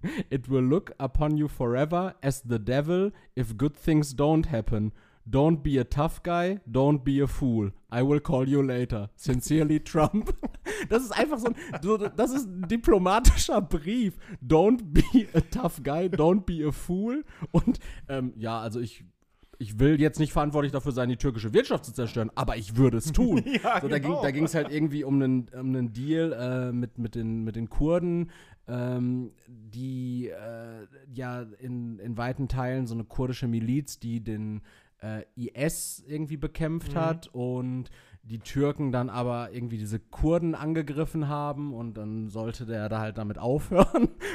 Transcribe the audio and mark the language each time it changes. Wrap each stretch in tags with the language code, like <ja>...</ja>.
<en>It will look upon you forever as the devil if good things don't happen. Don't be a tough guy, don't be a fool. I will call you later. Sincerely, Trump.</en> <de>Das ist einfach so ein, das ist ein diplomatischer Brief.</de> <en>Don't be a tough guy, don't be a fool.</en> <de>Und ja, also ich will jetzt nicht verantwortlich dafür sein, die türkische Wirtschaft zu zerstören, aber ich würde es tun. Ja, so, genau. Da ging es halt irgendwie um einen Deal mit den Kurden. Die in weiten Teilen so eine kurdische Miliz, die den IS irgendwie bekämpft hat und die Türken dann aber irgendwie diese Kurden angegriffen haben und dann sollte der da halt damit aufhören.</de>